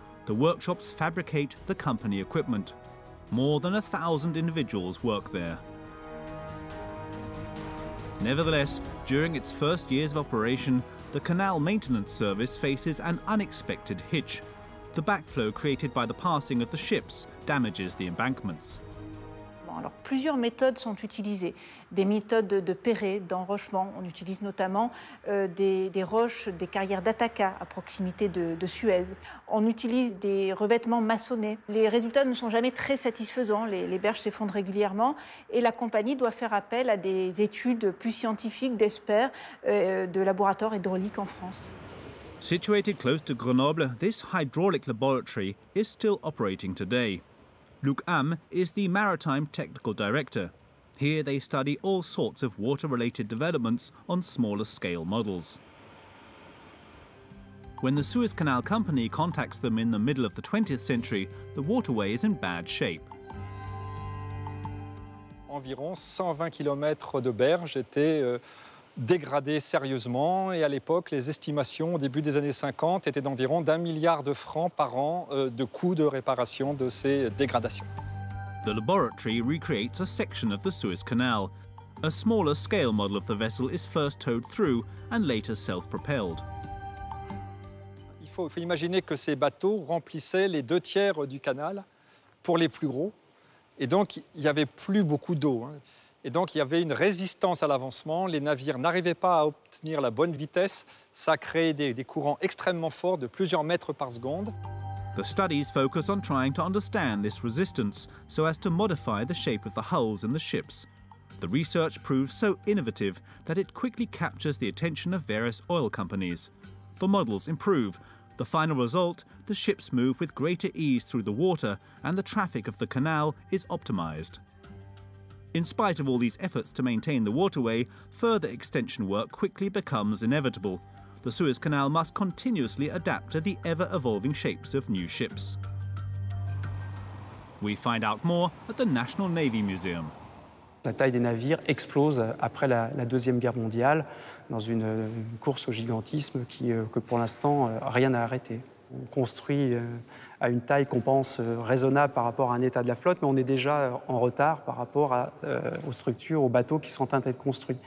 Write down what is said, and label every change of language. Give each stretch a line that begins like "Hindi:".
English: The workshops fabricate the company equipment. More than 1,000 individuals work there. Nevertheless, during its first years of operation, the canal maintenance service faces an unexpected hitch. The backflow created by the passing of the ships damages the embankments.
French: Alors, plusieurs méthodes sont utilisées, des méthodes de perret, d'enrochement. On utilise notamment des roches, des carrières d'Ataka à proximité de Suez. On utilise des revêtements maçonnés. Les résultats ne sont jamais très satisfaisants, les berges s'effondrent régulièrement et la compagnie doit faire appel à des études plus scientifiques d'experts de laboratoires hydrauliques en France.
English: Situated close to Grenoble, this hydraulic laboratory is still operating today. Luc Am is the Maritime Technical Director. Here they study all sorts of water-related developments on smaller scale models. When the Suez Canal Company contacts them in the middle of the 20th century, the waterway is in bad shape.
French: Environ 120 km de berge étaient dégradés sérieusement et à l'époque, les estimations au début des années 50 étaient d'environ 1 milliard de francs par an de coûts de réparation de ces dégradations.
English: The laboratory recreates a section of the Suez Canal. A smaller scale model of the vessel is first towed through and later self-propelled.
French: Il faut imaginer que ces bateaux remplissaient les deux tiers du canal pour les plus gros et donc il n'y avait plus beaucoup d'eau. Et donc il y avait une résistance à l'avancement, les navires n'arrivaient pas à obtenir la bonne vitesse, ça créait des courants extrêmement forts de plusieurs mètres par seconde.
English: The studies focus on trying to understand this resistance so as to modify the shape of the hulls in the ships. The research proves so innovative that it quickly captures the attention of various oil companies. The models improve. The final result, the ships move with greater ease through the water and the traffic of the canal is optimized. In spite of all these efforts to maintain the waterway, further extension work quickly becomes inevitable. The Suez Canal must continuously adapt to the ever-evolving shapes of new ships. We find out more at the National Navy Museum.
French: La taille des navires explose après la Deuxième Guerre mondiale dans une course au gigantisme que pour l'instant rien n'a arrêté. on construit à une taille qu'on pense raisonnable par rapport à un état de la flotte, mais on est déjà en retard par rapport à, aux structures, aux bateaux qui sont en train d'être construits.